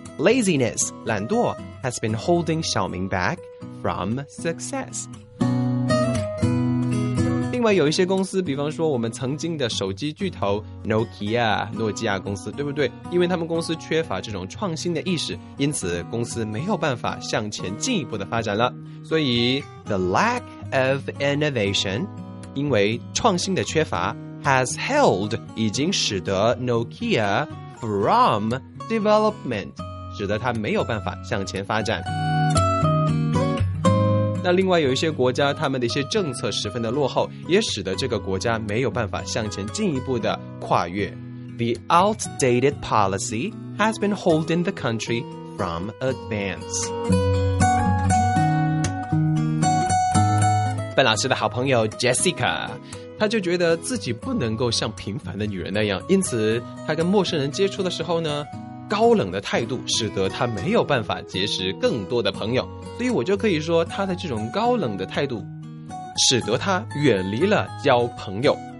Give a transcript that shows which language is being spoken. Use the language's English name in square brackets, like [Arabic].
[English] Laziness, 懒惰 has been holding 小明 back from success. [Chinese] 另外有一些公司，比方说我们曾经的手机巨头 Nokia, 诺基亚公司，对不对？因为他们公司缺乏这种创新的意识，因此公司没有办法向前进一步的发展了。所以 [English] the lack of innovation, [Chinese] 因为创新的缺乏 [English] has held, [Chinese] 已经使得 Nokia, [English] From development, [Chinese] 使得它没有办法向前发展。那另外有一些国家，他们的一些政策十分的落后，也使得这个国家没有办法向前进一步的跨越。 [English] The outdated policy has been holding the country from advance. [Chinese] 本老师的好朋友 Jessica， 她就觉得自己不能够像平凡的女人那样，因此她跟陌生人接触的时候呢，高冷的态度使得她没有办法结识更多的朋友，所以我就可以说她的这种高冷的态度使得她远离了交朋友。